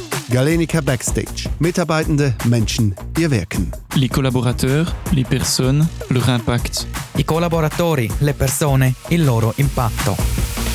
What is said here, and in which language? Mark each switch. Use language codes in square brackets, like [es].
[de] Galenica Backstage. Mitarbeitende, Menschen, ihr Wirken. [fr] Les collaborateurs, les personnes, leur impact. [it] I collaboratori, le persone, il loro impatto.